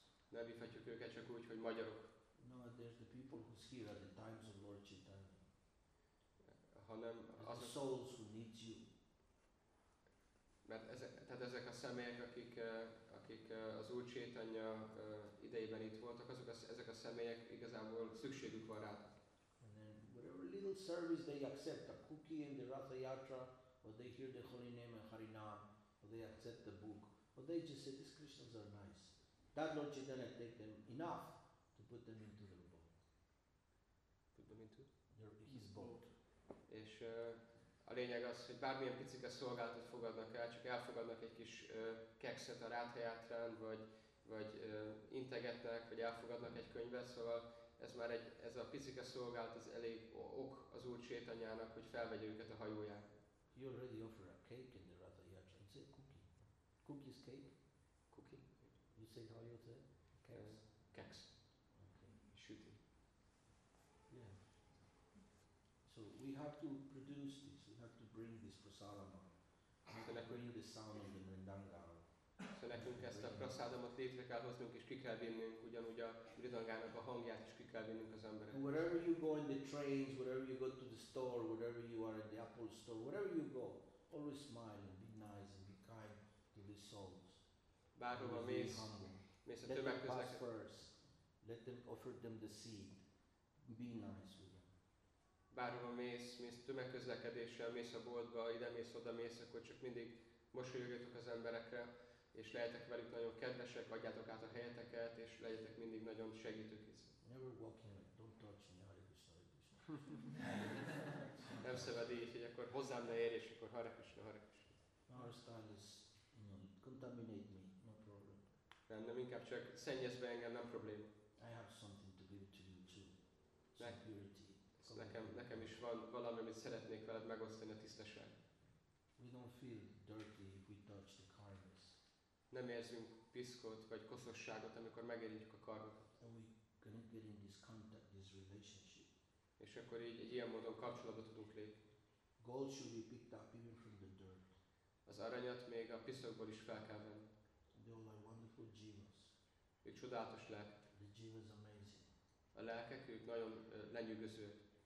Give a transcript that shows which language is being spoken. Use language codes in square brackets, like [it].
[hu] Nem hívhatjuk őket csak úgy, hogy magyarok. [en] No, there's the people who's here at the times of Lord Chaitanya. [hu] Hanem azok, [en] the souls who need you. [hu] Mert ezek a személyek, akik az Úr Chaitanya idejében itt voltak, ezek a személyek igazából szükségük van rá. [en] And then whatever little service they accept, a cookie in the Ratha Yatra, or they hear the holy name and Harinam, or they accept the book, or they just say, these Krishnas are nice. That Lord Chaitanya take them enough to put them into their boat. Put them into? His boat. [hu] És a lényeg az, hogy bármilyen picike szolgálatot fogadnak el, csak elfogadnak egy kis kekszet a Ratha Yatrán, vagy integetnek, vagy elfogadnak egy könyvet, szóval ez a picike szolgálat az elég ok az Úr Chaitanyának, hogy felvegye őket a hajóján. [en] He already offered a cake in the Ratha Yatra. It's a cookie. Cookie's cake? Cookie. You say how you say? [hu] Keks. Keks. [en] Okay. Shooting. Yeah. So we have to produce this. We have to bring this prasadam. Bring the sound of the mridanga. [hu] So nekünk ezt a prasadamot létre kell hoznunk, és ki kell vinnünk, ugyanúgy a mridangának a hangját is ki kell vinnünk az emberek. [en] Wherever you go in the trains, wherever you go to the store, wherever you are at the Apple store, wherever you go, always smile and be nice and be kind to the souls. [hu] Bárhova mész, mész a tömegközlekedésben. [en] Let them pass first. Let them offer them the seed. Be nice with them. [hu] Bárhova mész, mész tömegközlekedéssel, mész a boltba, ide mész, oda mész, akkor csak mindig mosolyogjatok az emberekre, és lehetek velük nagyon kedvesek, adjátok át a helyeteket, és legyetek mindig nagyon segítőkészek. [en] Never walk in, don't touch me, Hare Krishna, Hare Krishna. [hu] Nem szabad így, hogy akkor hozzám ne érj, és akkor Hare Krishna, Hare Krishna. [en] Our style is, you know, contaminate me, no problem. [hu] Nem, inkább csak szennyezd be engem, nem probléma. [en] I have something to give to you too, security. [hu] Nekem is van valami, amit szeretnék veled megosztani a tisztaság. [en] We don't feel dirty if we touch the karmas. [hu] Nem érzünk piszkot vagy koszosságot, amikor megérintjük a karmakat. [en] And we can get in this contact, this relationship. [hu] És akkor így egy ilyen módon kapcsolatba tudunk lépni. [en] Gold should be picked up even from the dirt. [hu] Az aranyat még a piszokból is fel kell venni. [en] They are like wonderful genius. [hu] Ők csodálatos lelkek. [en] The genius amazing. [hu] A lelkek, ők nagyon lenyűgözőek.